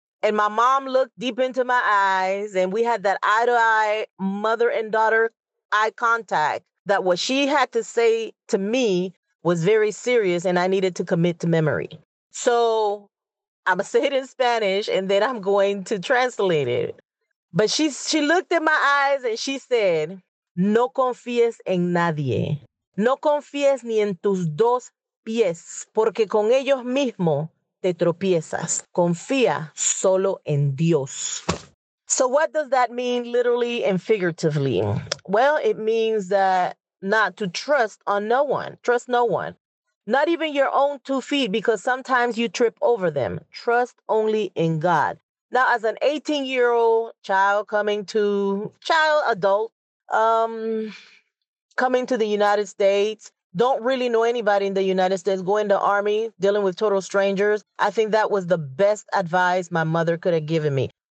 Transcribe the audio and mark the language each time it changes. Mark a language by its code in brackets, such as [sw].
[en] And my mom looked deep into my eyes, and we had that eye-to-eye mother and daughter eye contact, that what she had to say to me was very serious, and I needed to commit to memory. So I'm going to say it in Spanish, and then I'm going to translate it. But she looked in my eyes, and she said, no confíes en nadie. [es] No confíes ni en tus dos pies, porque con ellos mismo te tropiezas. Confía solo en Dios. [en] So what does that mean literally and figuratively? Well, it means that not to trust on no one. Trust no one. Not even your own 2 feet, because sometimes you trip over them. Trust only in God. Now, as an 18-year-old child coming to the United States, don't really know anybody in the United States, going to Army, dealing with total strangers, I think that was the best advice my mother could have given me.